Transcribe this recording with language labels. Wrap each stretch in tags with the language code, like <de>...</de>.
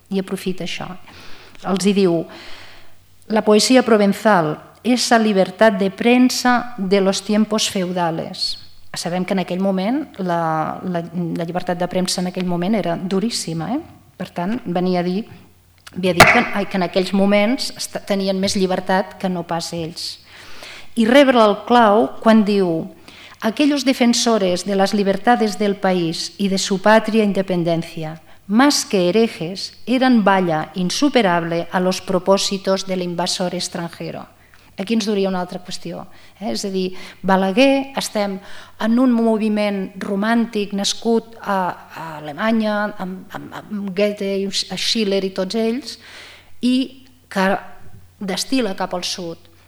<ca>I aprofita això. Els hi diu: la poesia provençal,</ca> <es>esa libertad de prensa de los tiempos feudales.</es> <ca>Sabem que en aquell moment la llibertat de premsa en aquell moment era duríssima, eh? Per tant, ve a dir que en aquells moments tenien més llibertat que no pas ells. I rebre el clau quan diu:</ca> <es>aquellos defensores de las libertades del país y de su patria independencia, más que herejes, eran valla insuperable a los propósitos del invasor extranjero.</es> <ca>Aquí ens duria una altra qüestió. És a dir, Balaguer, estem en un moviment romàntic nascut a Alemanya, amb Goethe, a Schiller i tots ells, i que destila cap al sud.</ca>